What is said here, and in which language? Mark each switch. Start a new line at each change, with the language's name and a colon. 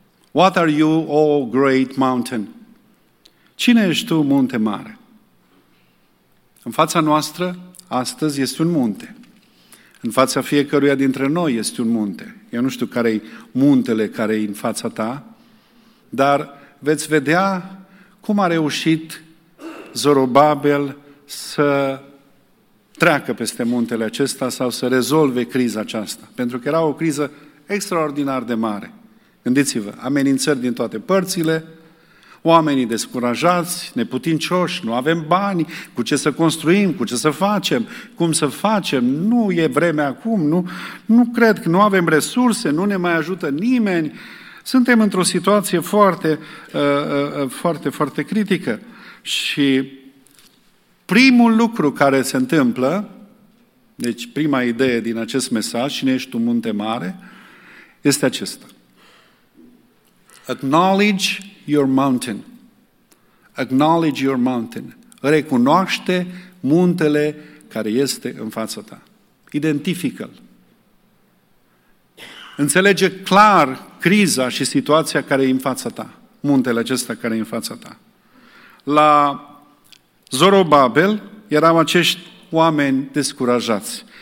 English: What are you, O great mountain?
Romanian: Cine ești tu, munte mare? În fața noastră, astăzi, este un munte. În fața fiecăruia dintre noi este un munte. Eu nu știu care-i muntele care-i în fața ta, dar veți vedea cum a reușit Zorobabel să treacă peste muntele acesta sau să rezolve criza aceasta. Pentru că era o criză extraordinar de mare. Gândiți-vă, amenințări din toate părțile, oamenii descurajați, neputincioși, nu avem bani, cu ce să construim, cu ce să facem, cum să facem, nu e vremea acum, nu cred că nu avem resurse, nu ne mai ajută nimeni. Suntem într-o situație foarte, foarte, foarte critică. Și primul lucru care se întâmplă, deci prima idee din acest mesaj, cine ești tu, munte mare, este acesta.
English: Acknowledge your mountain. Acknowledge your mountain.
Romanian: Recunoaște muntele care este în fața ta. Identifică-l. Înțelege clar criza și situația care e în fața ta. Muntele acesta care e în fața ta. La Zorobabel erau acești oameni descurajați.